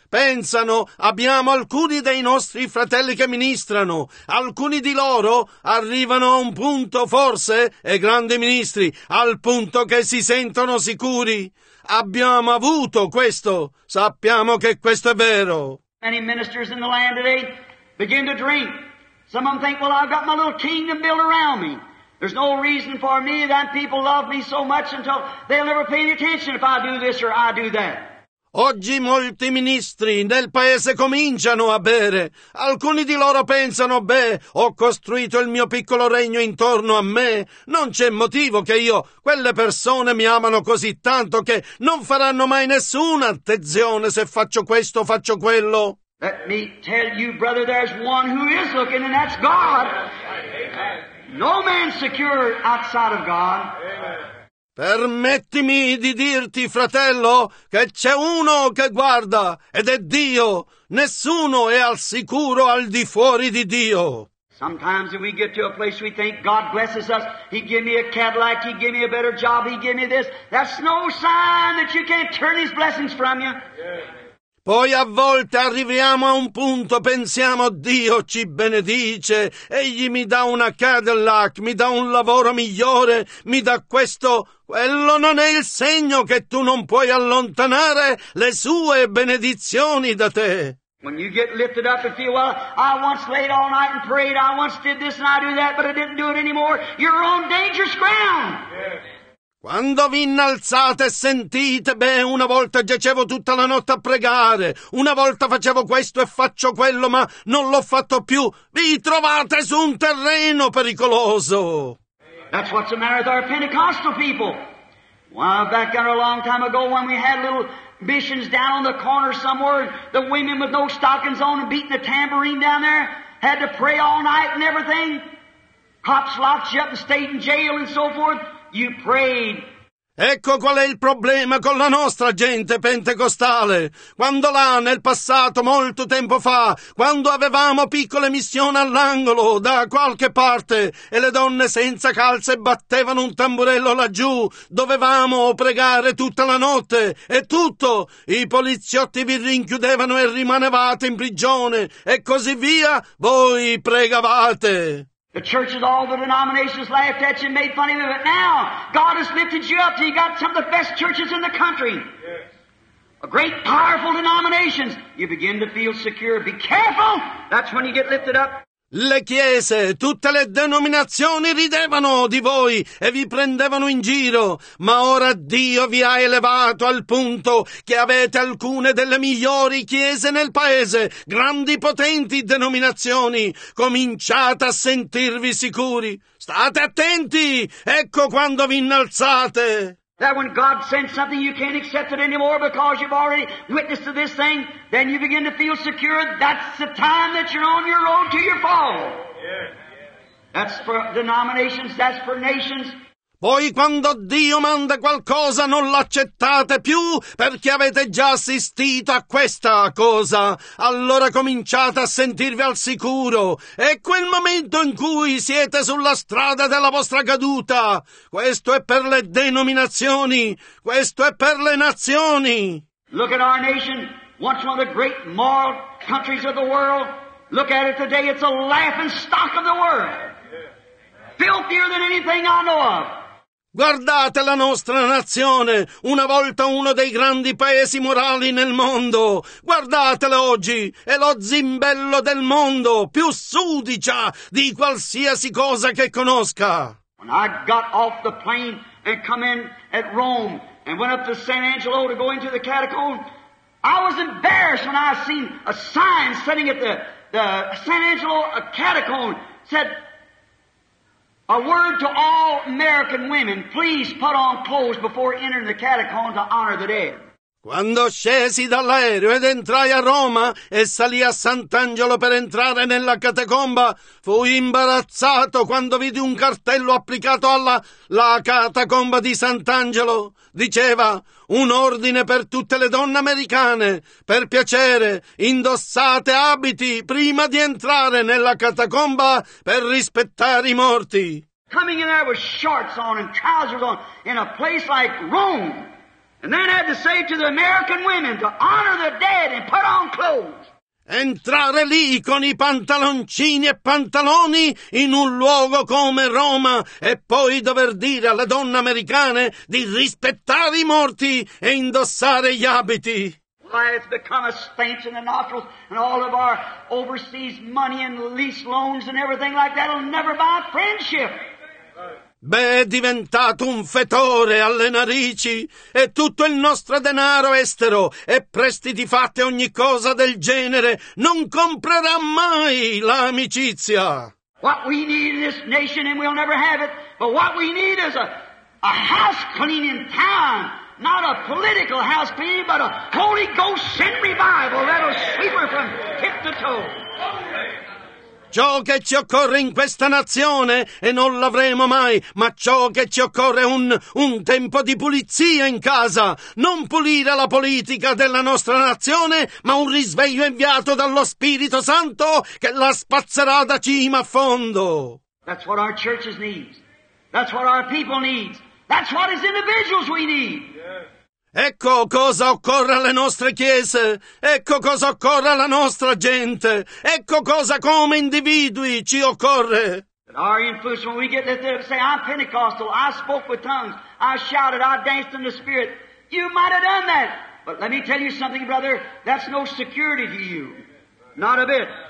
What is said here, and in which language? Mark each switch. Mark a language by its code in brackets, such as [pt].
[it] Pensano, abbiamo alcuni dei nostri fratelli che ministrano. Alcuni di loro arrivano a un punto, forse, e grandi ministri, al punto che si sentono sicuri. Abbiamo avuto questo. Sappiamo che questo è vero. [en] Many ministers in the land today begin to drink. Some of them think, well, I've got my little kingdom built around me. There's no reason for me that people love me so much until they'll never pay any attention if I do this or I do that. [it] Oggi molti ministri nel paese cominciano a bere. Alcuni di loro pensano, beh, ho costruito il mio piccolo regno intorno a me. Non c'è motivo che io, quelle persone mi amano così tanto che non faranno mai nessuna attenzione se faccio questo o faccio quello. [en] Let me tell you, brother, there's one who is looking, and that's God. No man secure outside of God. [it] Permettimi di dirti, fratello, che c'è uno che guarda ed è Dio. Nessuno è al sicuro al di fuori di Dio. [en] Sometimes if we get to a place we think God blesses us, he give me a Cadillac, he give me a better job, he give me this. That's no sign that you can't turn his blessings from you. [it] Poi a volte arriviamo a un punto, pensiamo Dio ci benedice, egli mi dà una Cadillac, mi dà un lavoro migliore, mi dà questo. Quello non è il segno che tu non puoi allontanare le sue benedizioni da te. [en] When you get lifted up and feel, well, I once laid all night and prayed, I once did this and I do that, but I didn't do it anymore, you're on dangerous ground. Yeah. [it] Quando vi innalzate e sentite, beh, una volta giacevo tutta la notte a pregare, una volta facevo questo e faccio quello, ma non l'ho fatto più, vi trovate su un terreno pericoloso. [en] That's what's the matter with our Pentecostal people. Well, back there a long time ago when we had little missions down on the corner somewhere, the women with no stockings on and beating the tambourine down there, had to pray all night and everything. Cops locked you up and stayed in jail and so forth. You prayed. [it] Ecco qual è il problema con la nostra gente pentecostale. Quando là, nel passato, molto tempo fa, quando avevamo piccole missioni all'angolo, da qualche parte, e le donne senza calze battevano un tamburello laggiù, dovevamo pregare tutta la notte, e tutto, i poliziotti vi rinchiudevano e rimanevate in prigione, e così via, voi pregavate. [en] The churches, all the denominations laughed at you and made fun of you, but now God has lifted you up so you got some of the best churches in the country. Yes. A great, powerful denominations. You begin to feel secure. Be careful! That's when you get lifted up. [it] Le chiese, tutte le denominazioni ridevano di voi e vi prendevano in giro, ma ora Dio vi ha elevato al punto che avete alcune delle migliori chiese nel paese, grandi potenti denominazioni. Cominciate a sentirvi sicuri. State attenti! Ecco quando vi innalzate! [en] That when God sends something you can't accept it anymore because you've already witnessed to this thing, then you begin to feel secure. That's the time that you're on your road to your fall. Yes. That's for denominations, that's for nations. [it] Poi quando Dio manda qualcosa non l'accettate più perché avete già assistito a questa cosa. Allora cominciate a sentirvi al sicuro. È quel momento in cui siete sulla strada della vostra caduta. Questo è per le denominazioni. Questo è per le nazioni. [en] Look at our nation, once one of the great moral countries of the world. Look at it today, it's a laughing stock of the world. Filthier than anything I know of. [it] Guardate la nostra nazione, una volta uno dei grandi paesi morali nel mondo. Guardatela oggi, è lo zimbello del mondo, più sudicia di qualsiasi cosa che conosca. [en] When I got off the plane and come in at Rome and went up to San Angelo to go into the catacomb, I was embarrassed when I seen a sign sitting at the San Angelo catacomb said, a word to all American women, please put on clothes before entering the catacombs to honor the dead. [it] Quando scesi dall'aereo ed entrai a Roma e salì a Sant'Angelo per entrare nella catacomba, fui imbarazzato quando vidi un cartello applicato alla la catacomba di Sant'Angelo. Diceva, un ordine per tutte le donne americane, per piacere, indossate abiti prima di entrare nella catacomba per rispettare i morti. [en] Coming in there with shorts on and trousers on in a place like Rome. And then had to say to the American women to honor the dead and put on clothes. [it] Entrare lì con i pantaloncini e pantaloni in un luogo come Roma e poi dover dire alle donne americane di rispettare i morti e indossare gli abiti. [en] Why it's become a stench in the nostrils and all of our overseas money and lease loans and everything like that will never buy friendship. [it] Beh, è diventato un fetore alle narici e tutto il nostro denaro estero e prestiti fatti ogni cosa del genere non comprerà mai l'amicizia. [en] What we need in this nation and we'll never have it, but what we need is a house cleaning town, not a political house cleaning, but a Holy Ghost sent revival that'll sweep her from tip to toe. [it] Ciò che ci occorre in questa nazione, e non l'avremo mai, ma ciò che ci occorre è un tempo di pulizia in casa. Non pulire la politica della nostra nazione, ma un risveglio inviato dallo Spirito Santo che la spazzerà da cima a fondo. [en] That's what our churches need. That's what our people need. That's what as individuals we need. [it] Ecco cosa occorre alle nostre chiese, ecco cosa occorre alla nostra gente, ecco cosa come individui ci occorre. [en] But our influence, when we get to the, say, I'm Pentecostal, I spoke with tongues, I shouted, I danced in the Spirit. You might have done that, but let me tell you something, brother, that's no security to you, not a bit.